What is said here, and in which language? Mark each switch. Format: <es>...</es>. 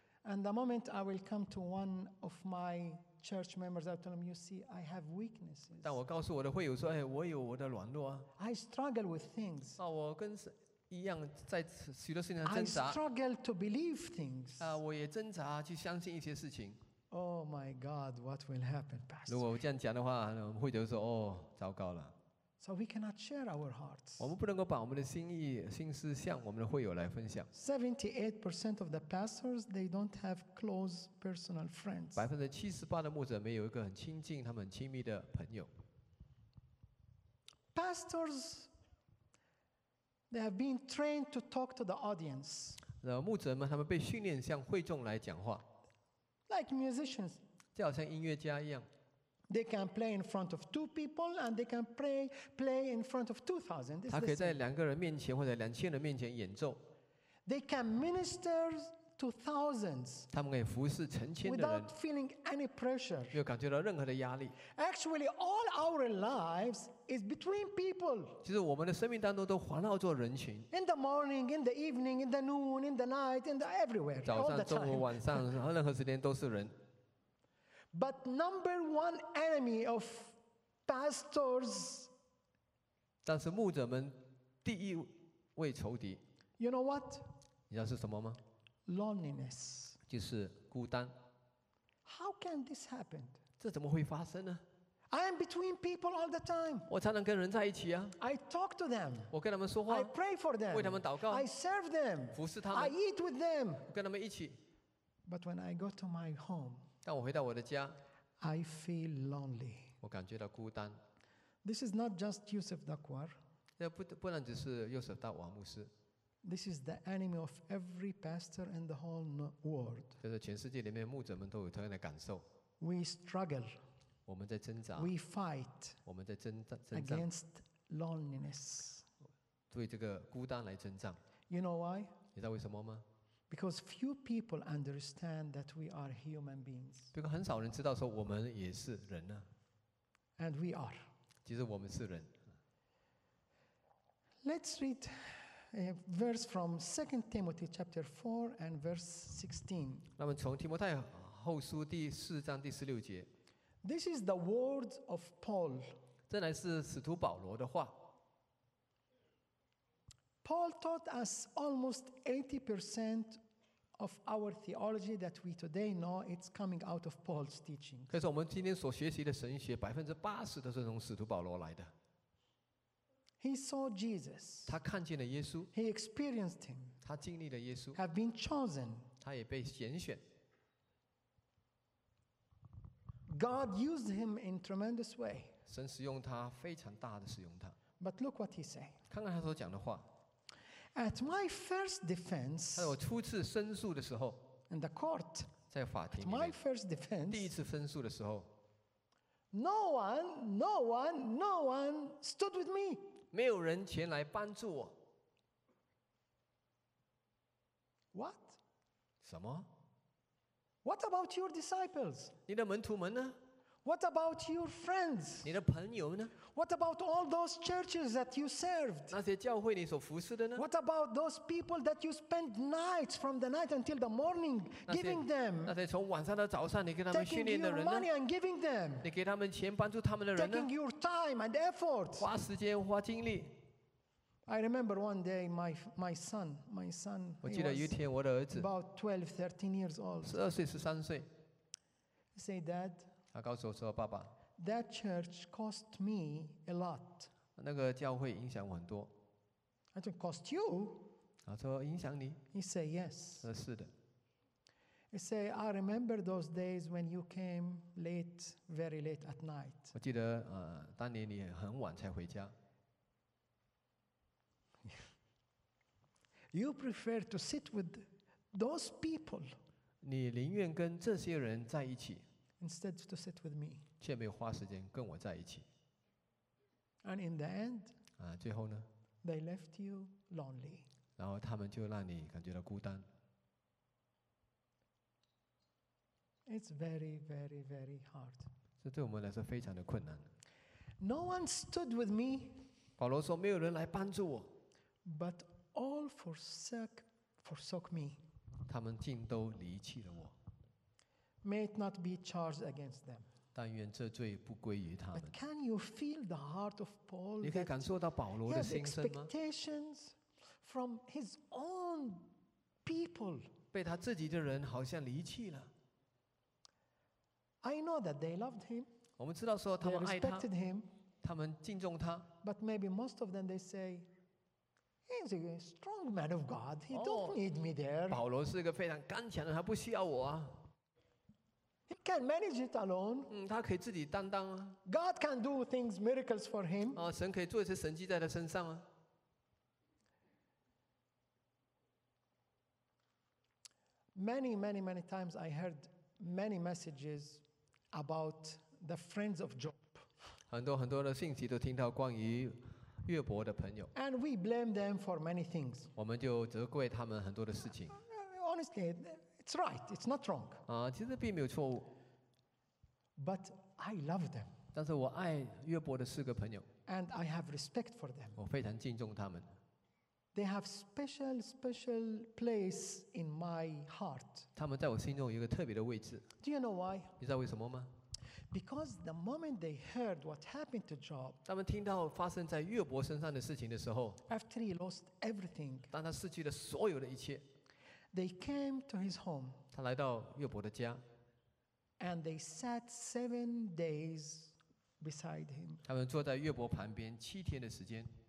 <en>And the moment I will come to one of my church members, I tell them, "You see, I have weaknesses."</en> <zh>但我告诉我的会友说，哎，我有我的软弱啊。</zh> <en>I struggle with things.</en> <zh>啊，我跟一样在许多事情上挣扎。</zh> <en>I struggle to believe things.</en> <zh>我也挣扎去相信一些事情。</zh> <en>Oh my God, what will happen, Pastor?</en> <zh>如果我这样讲的话，我们会觉得说，哦，糟糕了。</zh> <en>So we cannot share our hearts.</en> <zh>我们不能够把我们的心意、心思向我们的会友来分享。</zh> <en>78% of the pastors they don't have close personal friends.</en> <zh>78%的牧者没有一个很亲近、他们很亲密的朋友。</zh> <en>Pastors. They have been trained to talk to the audience.</en> <zh>牧者们他们被训练向会众来讲话。</zh> <en>Like musicians.</en> <zh>就好像音乐家一样。</zh> <en>They can play in front of two people and they can play in front of 2,000.</en> <zh>他可以在两个人面前或者两千人面前演奏。</zh> <en>They can minister to thousands.</en> <zh>他们可以服侍成千的人。</zh> <en>Without feeling any pressure.</en> <zh>没有感觉到任何的压力。</zh> <en>Actually, all our lives is between people.</en> <zh>其实我们的生命当中都环绕着人群。</zh> <en>In the morning, in the evening, in the noon, in the night, in the everywhere.</en> <zh>早上、中午、晚上，任何时间都是人。</zh> <en>But number one enemy of pastors.</en> <zh>但是牧者们第一位仇敌。</zh> <en>You know what?</en> <zh>你知道是什么吗？</zh> <en>Loneliness.</en> <zh>就是孤单。</zh> <en>How can this happen?</en> <zh>这怎么会发生呢？</zh> <en>I am between people all the time.</en> <zh>我常常跟人在一起啊。</zh> <en>I talk to them.</en> <zh>我跟他们说话。</zh> <en>I pray for them.</en> <zh>为他们祷告。</zh> <en>I serve them.</en> <zh>服侍他们。</zh> <en>I eat with them.</en> <zh>跟他们一起。</zh> <en>But when I go to my home,</en> <zh>当我回到我的家，</zh> <en>I feel lonely.</en> <zh>我感觉到孤单。</zh> <en>This is not just Yusuf Dakwar.</en> <zh>不然只是约瑟大瓦牧师。</zh> <en>This is the enemy of every pastor in the whole world.</en> <zh>就是全世界里面牧者们都有同样的感受。</zh> <en>We struggle.</en> <zh>我们在挣扎。</zh> <en>We fight.</en> <zh>我们在挣扎。</zh> <en>Against loneliness.</en> <zh>对这个孤单来挣扎。</zh> <en>You know why?</en> <zh>你知道为什么吗？</zh> <en>Because few people understand that we are human beings.</en> <zh>因为很少人知道说我们也是人呢。</zh> <en>And we are.</en> <zh>其实我们是人。</zh> <en>Let's read. A verse from 2 Timothy chapter 4 and verse 16.</en> <zh>那么从提摩太后书第四章第十六节。</zh> <en>This is the words of Paul.</en> <zh>这乃是使徒保罗的话。</zh> <en>Paul taught us almost 80% of our theology that we today know it's coming out of Paul's teaching.</en> <zh>可是我们今天所学习的神学 80% 都是从使徒保罗来的。</zh> <en>He saw Jesus.</en> <zh>他看见了耶稣。</zh> <en>He experienced him.</en> <zh>他经历了耶稣。</zh> <en>Have been chosen.</en> <zh>他也被拣选。</zh> <en>God used him in tremendous way.</en> <zh>神使用他，非常大的使用他。</zh> <en>But look what he said.</en> <zh>看看他所讲的话。</zh> <en>At my first defense.</en> <zh>在我初次申诉的时候。</zh> <en>In the court.</en> <zh>在法庭里面。</zh> <en>At my first defense.</en> <zh>第一次申诉的时候。</zh> <en>No one stood with me.</en> <zh>没有人前来帮助我。</zh> <en>What?</en> <zh>什么？</zh> <en>What about your disciples?</en> <zh>你的门徒们呢？</zh> <en>What about your friends?</en> <zh>你的朋友呢？</zh> <en>What about all those churches that you served?</en> <zh>那些教会你所服侍的呢？</zh> <en>What about those people that you spent nights from the night until the morning giving them?</en> <zh>那些从晚上到早上你给他们训练的人呢？</zh> <en>Taking your money and giving them.</en> <zh>你给他们钱帮助他们的人呢？</zh> <en>Taking your time and effort.</en> <zh>花时间花精力。</zh> <en>I remember one day my son.</en> <zh>我记得有一天我的儿子。</zh> <en>About 12, 13 years old.</en> <zh>12岁、13岁。</zh> <en>Say, Dad.</en> <zh>他告诉我说，爸爸。</zh> <en>That church cost me a lot.</en> <zh>那个教会影响我很多。</zh> <en>I said, cost you?</en> <zh>他说影响你。</zh> <en>He said, yes.</en> <zh>他说是的。</zh> <en>He said, I remember those days when you came late, very late at night.</en> <zh>我记得当年你很晚才回家。</zh> <en>You prefer to sit with those people.</en> <zh>你宁愿跟这些人在一起。</zh> <en>Instead to sit with me.</en> <zh>却没有花时间跟我在一起。</zh> <en>And in the end.</en> <zh>最后呢？</zh> <en>They left you lonely.</en> <zh>然后他们就让你感觉到孤单。</zh> <en>It's very, very, very hard.</en> <zh>这对我们来说非常的困难。</zh> <en>No one stood with me.</en> <zh>保罗说没有人来帮助我。</zh> <en>But all forsook me.</en> <zh>他们竟都离弃了我。</zh> <en>May it not be charged against them.</en> <zh>但愿这罪不归于他们。</zh> <en>But can you feel the heart of Paul?</en> <zh>你可以感受到保罗的心声吗？</zh> <en>He has expectations from his own people.</en> <zh>被他自己的人好像离弃了。</zh> <en>I know that they loved him.</en> <zh>我们知道说他们爱他。</zh> <en>They respected him.</en> <zh>他们敬重他。</zh> <en>But maybe most of them they say. He's a strong man of God. He don't need me there.</en> <zh>保罗是一个非常刚强的，他不需要我啊。</zh> <en>He can manage it alone.</en> <zh>他可以自己担当啊。</zh> <en>God can do things miracles for him.</en> <zh>神可以做一些神迹在他身上啊。</zh> <en>Many times I heard many messages about the friends of Job.</en> <zh>很多很多的信息都听到关于。约伯的朋友，</zh> <en>and we blame them for many things.</en> <zh>我们就责怪他们很多的事情。</zh> <en>我honestly, it's right. It's not wrong.</en> <zh>其实并没有错误。</zh> <en>But I love them.</en> <zh>但是我爱约伯的四个朋友。</zh> <en>And I have respect for them.</en> <zh>我非常敬重他们。</zh> <en>They have special, special place in my heart.</en> <zh>他们在我心中有一个特别的位置。</zh> <en>Do you know why?</en> <zh>你知道为什么吗？</zh> <en>Because the moment they heard what happened to Job,</en> <zh>他们听到发生在约伯身上的事情的时候，</zh> <en>after he lost everything,</en> <zh>当他失去了所有的一切，</zh> <en>they came to his home,</en> <zh>他来到约伯的家，</zh> <en>and they sat 7 days beside him,</en> <zh>他们坐在约伯旁边七天的时间，</zh>